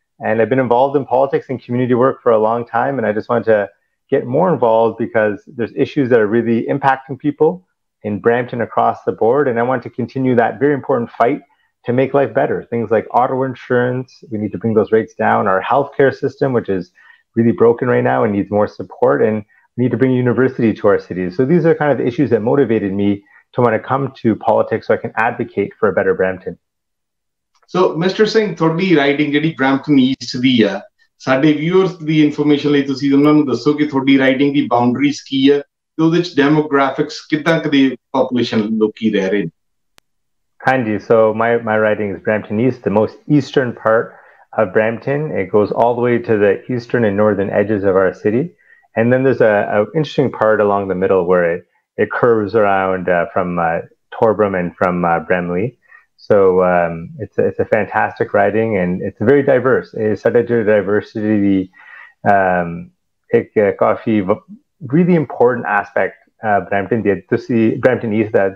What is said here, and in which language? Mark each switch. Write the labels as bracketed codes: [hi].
[en] And I've been involved in politics and community work for a long time, and I just want to get more involved because there's issues that are really impacting people in Brampton across the board, and I want to continue that very important fight to make life better. Things like auto insurance, we need to bring those rates down. Our healthcare system, which is really broken right now and needs more support, and need to bring university to our cities. So these are kind of the issues that motivated me to want to come to politics so I can advocate for a better Brampton. So Mr. [pa] Singh, ਤੁਹਾਡੀ riding ਜਿਹੜੀ Brampton East ਦੀ ਆ, ਸਾਡੇ viewers ਦੀ information ਲਈ ਤੁਸੀਂ ਉਹਨਾਂ ਨੂੰ ਦੱਸੋ ਕਿ ਤੁਹਾਡੀ ਰਾਈਡਿੰਗ ਦੀ ਬਾਉਂਡਰੀਜ਼ ਕੀ ਆ ਤੇ ਉਹਦੇ ਵਿੱਚ ਡੈਮੋਗ੍ਰਾਫਿਕਸ ਕਿੱਦਾਂ ਕਦੇ ਪੋਪੂਲੇਸ਼ਨ ਲੋਕੀ ਰਹਿ ਰਹੇ ਨੇ। [en] ਹਾਂਜੀ, so my riding is Brampton east, the most eastern part of Brampton. It goes all the way to the eastern and northern edges of our city. And then there's an interesting part along the middle where it curves around from Torbram and from Bramley. So it's a fantastic riding, and it's very diverse. It's such a diversity. It's a really important aspect Brampton East.